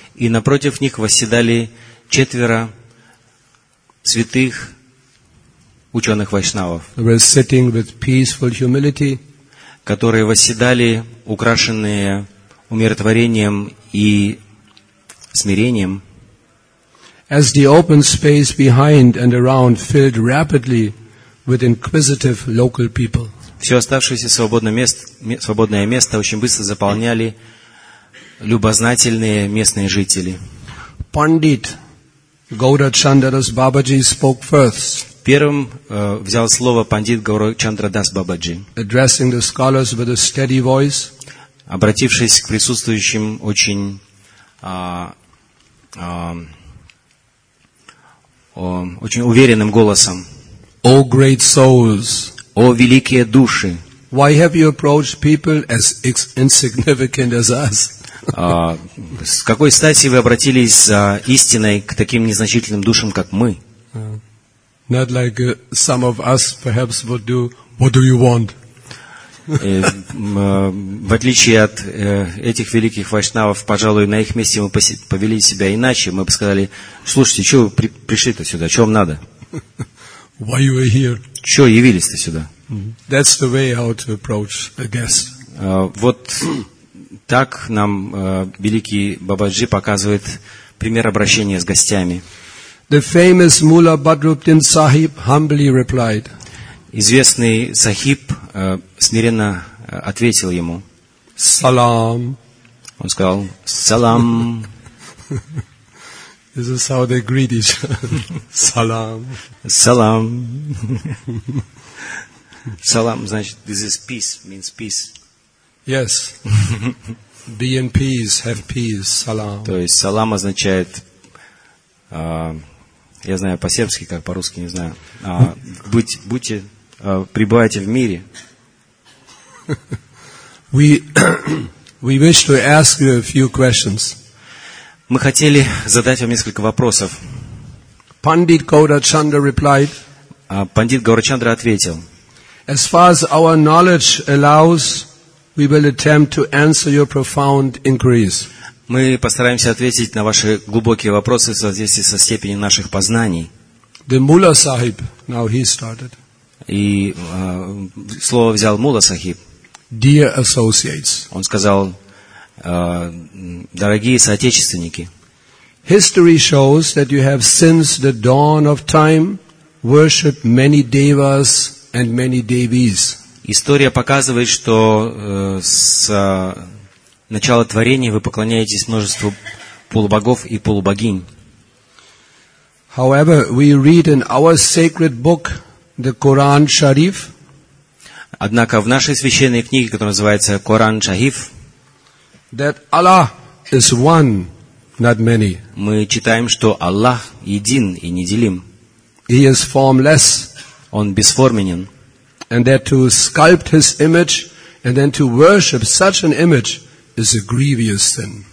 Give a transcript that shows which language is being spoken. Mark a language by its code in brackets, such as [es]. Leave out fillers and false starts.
[ru] И напротив них восседали четверо святых ученых вайшнавов. [en] They were sitting with peaceful humility. [ru] Которые восседали, украшенные умиротворением и смирением. [en] As the open space behind and around filled rapidly with inquisitive local people. [ru] Все оставшееся свободное место очень быстро заполняли любознательные местные жители. [en] Pandit Gaurachandras Babaji spoke first. [ru] Первым взял слово пандит Гаурачандрадас Бабаджи. [en] Addressing the scholars with a steady voice. [ru] Обратившись к присутствующим очень уверенным голосом. [en] O great souls, [ru] о великие души, [en] why have you approached people as insignificant as us? [ru] С какой стати вы обратились за истиной к таким незначительным душам, как мы? [en] Not like some of us perhaps would do. What do you want? [ru] В отличие от этих великих вайшнавов, пожалуй, на их месте мы повели себя иначе. Мы бы сказали: слушайте, что вы пришли-то сюда? Что вам надо? [en] Why you are here? [ru] Что явились-то сюда? [en] That's the way how to approach a guest. [ru] Вот так нам великий Бабаджи показывает пример обращения с гостями. [en] The famous Mula Badruddin Sahib humbly replied. [ru] Известный Сахиб смиренно ответил ему. Салам. Он сказал: салам. [en] This is how they greet each other. Салам. [ru] Салам. Салам, значит, [en] this is peace, means peace. Yes. Be in peace, have peace, салам. [ru] То есть салам означает, я знаю по-сербски, как по-русски, не знаю, будьте, пребывайте в мире. [en] We wish to ask you a few questions. [ru] Мы хотели задать вам несколько вопросов. [en] Пандит Гаурачандра replied. [ru] Пандит Гаурачандра ответил. [en] As far as our knowledge allows, we will attempt to answer your profound inquiries. [ru] Мы постараемся ответить на ваши глубокие вопросы в соответствии со степенью наших познаний. [en] The Mula Sahib, now he started. [ru] И слово взял Мула Сахиб. [en] Dear associates. [ru] Он сказал: дорогие соотечественники. [en] History shows that you have since the dawn of time worshipped many devas and many devis. [ru] История показывает, что с начала творения вы поклоняетесь множеству полубогов и полубогинь. [en] However, we read in our sacred book, the Quran Sharif. [ru] Однако в нашей священной книге, которая называется Коран Шариф, [en] that Allah is one, not many. [ru] Мы читаем, что Аллах един и неделим. [en] He is formless. [ru] Он бесформенен. [en] And that to sculpt his image and then to worship such an image is a grievous sin.